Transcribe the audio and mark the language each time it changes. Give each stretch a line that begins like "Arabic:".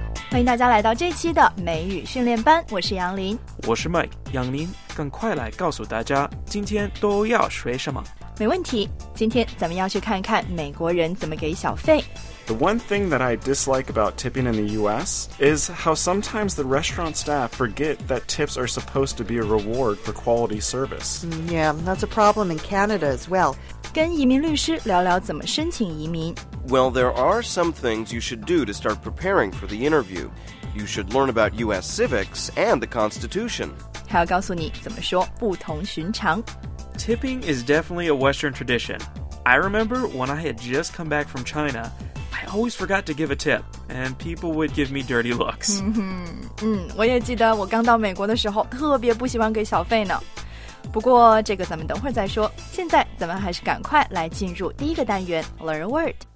Chinese: 欢迎大家来到这期的美语训练班，我是杨林，我是 Mike。杨林，赶快来告诉大家今天都要学什么。没问题，今天咱们要去看看美国人怎么给小费。
English: The one thing that I dislike about tipping in the U.S. is how sometimes the restaurant staff forget that tips are supposed to be a reward for quality service. Yeah, that's a problem in Canada as well.
Chinese: 跟移民律师聊聊怎么申请移民。
English: Well, there are some things you should do to start preparing for the interview. You should learn about U.S. civics and the Constitution.
Chinese: 还要告诉你怎么说不同寻常。
English: Tipping is definitely a Western tradition. I remember when I had just come back from China... I always forgot to give a tip, and people would give me dirty looks.
Chinese: 我也记得我刚到美国的时候特别不喜欢给小费呢。不过这个咱们等会儿再说，现在咱们还是赶快来进入第一个单元 Learn a Word.